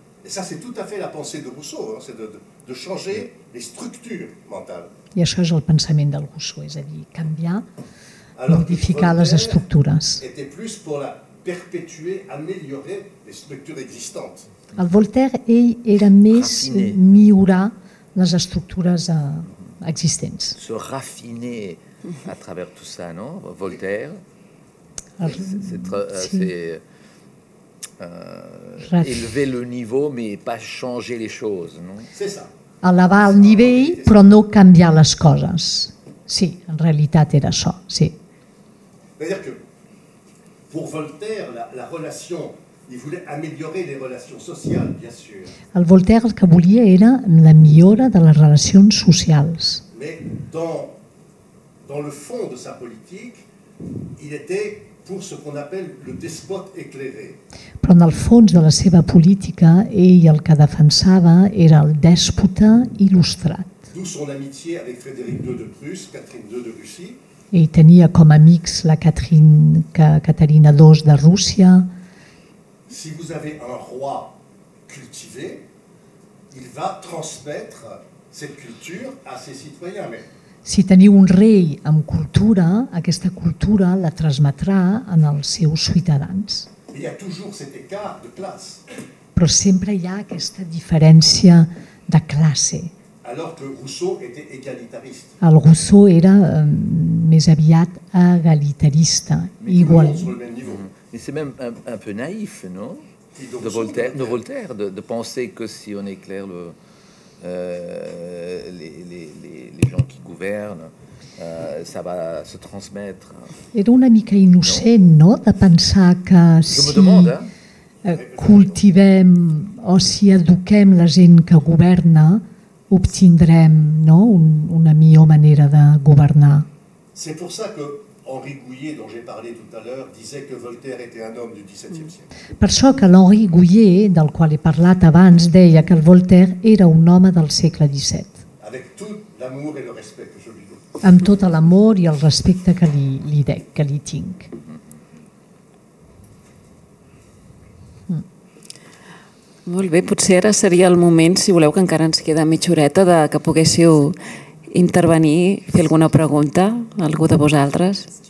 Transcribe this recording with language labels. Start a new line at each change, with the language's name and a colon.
French: Ça c'est tout à fait la pensée de Rousseau, hein, c'est de changer les structures mentales.
Catalan: I això és el pensament del Rousseau, és a dir, canviar, modificar les estructures.
French: Était plus pour la perpétuer, améliorer les structures existantes.
Catalan: El Voltaire, ell era més millorar les estructures existents.
French: Se raffiner à travers tout ça, no? Voltaire. Élever le niveau, mais pas changer les choses, no? C'est ça.
Catalan: Elevar el nivell, però no canviar les coses. Sí, en realitat era això, sí.
French: C'est-à-dire que pour Voltaire, la relation, il voulait améliorer les relations sociales, bien sûr.
Catalan: El Voltaire el que volia era la millora de les relacions socials.
French: Mais dans le fond de sa politique, il était pour ce qu'on appelle le despote éclairé.
Catalan: Però en el fons de la seva política, ell el que defensava era el déspota il·lustrat.
French: D'où son amitié avec Frédéric II de Prusse, Catherine II de Russie. Et
Catalan: tenia com a amics la Caterina II de Rússia.
French: Si vous avez un roi cultivé, il va transmettre cette culture à ses citoyens. Mais...
Catalan: Si teniu un rei amb cultura, aquesta cultura la transmetrà als seus ciutadans.
French: Il y a toujours cet écart de classe.
Catalan: Però sempre hi ha aquesta diferència de classe.
French: Alors que Rousseau était égalitariste.
Catalan: El Rousseau era més aviat égalitariste, igual.
French: Mais c'est même un peu naïf, non? De Voltaire, de penser que si on éclaire les gens qui gouvernent, ça va se transmettre.
Catalan: Era una mica innocent, no? De pensar que si cultivem o si eduquem la gent que governa, obtindrem, no, una millor manera de governar.
French: C'est pour ça que Henri Gouyer, dont j'ai parlé tout à l'heure, disait que Voltaire était un homme du 17e siècle.
Catalan: Per això que l'Henri Gouyer, del qual he parlat abans, deia que el Voltaire era un home del segle XVII.
French: Avec tout l'amour et le respect que je lui donne.
Catalan: Amb tot l'amor i el respecte que li dec, que li tinc. Molt bé, potser ara seria el moment, si voleu, que encara ens queda mitja horeta, de que poguéssiu intervenir, fer alguna pregunta a algú de vosaltres.